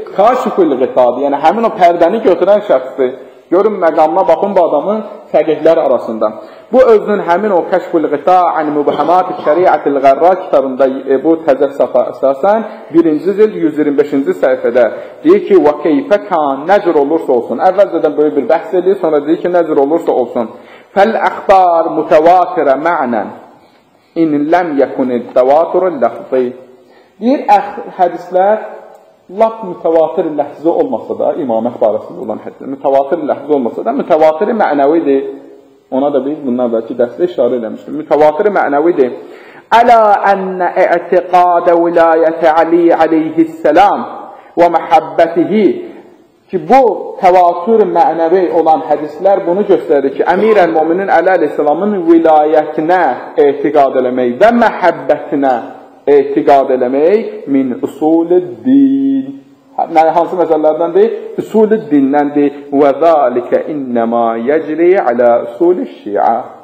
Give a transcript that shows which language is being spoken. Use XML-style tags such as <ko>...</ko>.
<az>Kaşiful Qitadır, yəni həmin o pərdəni götürən şəxsdir. Görün məqamına, baxın bu adamın fəqihlər arasında. Bu özünün həmin o Kaşiful Qita ən mübəhəmat-ı şəriətil qərra kitabında bu təzə safa əsasən, birinci cild 125-ci səhifədə deyir ki, və keyfə kan, nəcər olursa olsun, əvvəlcədən böyük bir bəhs edir, sonra deyir ki, nəcər olursa olsun.</az> <ar>فالأخبار متواترة معنا إن لم يكن التواتر اللفظي.</ar> <az>Deyir, hədislər laf mütevatir ləhzə olmasa da, imam əxbarəsində olan hədislər mütevatir ləhzə olmasa da, mütevatir mənəvidir. Ona da biz bundan əvvəlki dərsdə işarə eləmişdim. Mütevatir mənəvidir.</az> <ar>ألا أن اعتقاد ولاية علي عليه السلام ومحبته</ar> <az>ki, bu təvatür mənəvi olan hədislər bunu göstərir ki, Əmir-əl-Möminin Əl-Əl-İslamın vilayətinə etiqad eləmək və məhəbbətinə etiqad eləmək min usul-i din. Hansı məsələlərdəndir? Usul-i dinləndir. Və</az> <ar>zəlikə innəmə yəcri alə usul-i şi'a.</ar>